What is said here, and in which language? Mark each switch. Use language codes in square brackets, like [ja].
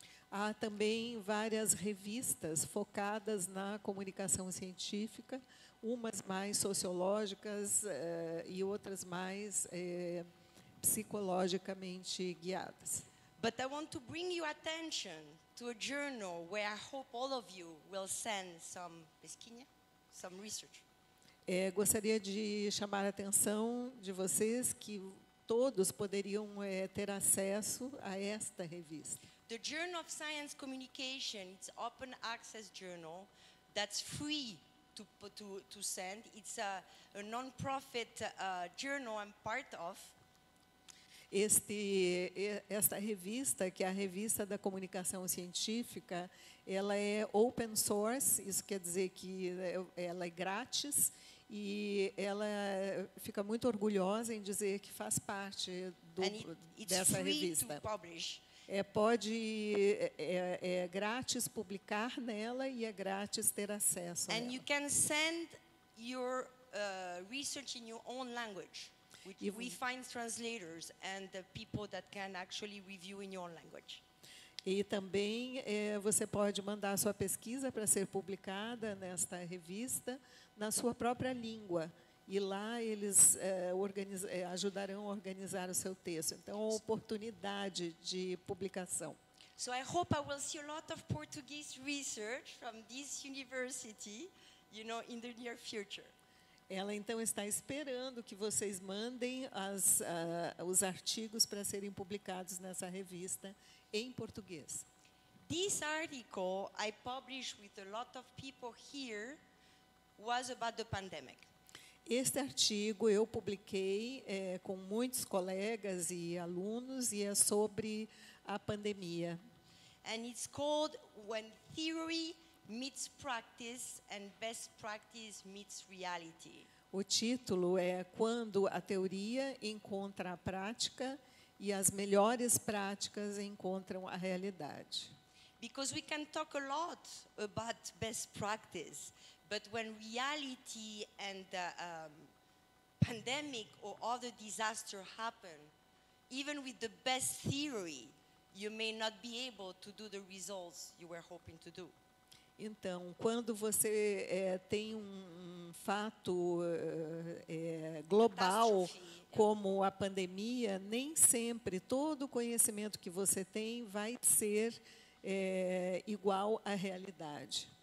[pt] Há também várias revistas focadas na comunicação científica, umas mais sociológicas e outras mais psicologicamente guiadas. [en] But I want to bring your attention to a journal where I hope all of you will send some [pt] pesquisa, [en] some research. [pt] Gostaria de chamar a atenção de vocês que todos poderiam ter acesso a esta revista. [en] The Journal of Science Communication, it's open access journal that's free to send. It's a non-profit journal I'm part of. [pt] Esta revista, que é a revista da comunicação científica, ela é open source, isso quer dizer que ela é grátis, e ela fica muito orgulhosa em dizer que faz parte dessa revista. [en] To publish. [pt] É grátis publicar nela e é grátis ter acesso [en] and [pt] a ela. [en] You can send your research in your own language. We find translators and the people that can actually review in your own language. [pt] E também você pode mandar sua pesquisa para ser publicada nesta revista na sua própria língua. E lá eles ajudarão a organizar o seu texto. Então, uma oportunidade de publicação. [en] So I hope I will see a lot of Portuguese research from this university, you know, in the near future. [pt] Ela então está esperando que vocês mandem os artigos para serem publicados nessa revista em português. [en] This article I published with a lot of people here was about the pandemic. [pt] Este artigo eu publiquei com muitos colegas e alunos e é sobre a pandemia. [en] And it's called When Theory Meets Practice and Best Practice Meets Reality. [pt] O título é Quando a Teoria Encontra a Prática e as Melhores Práticas Encontram a Realidade. [en] Because we can talk a lot about best practice, but when reality and the pandemic or other disaster happen, even with the best theory, you may not be able to do the results you were hoping to do. [pt] Então, quando você tem um fato global como a pandemia, nem sempre todo o conhecimento que você tem vai ser igual à realidade.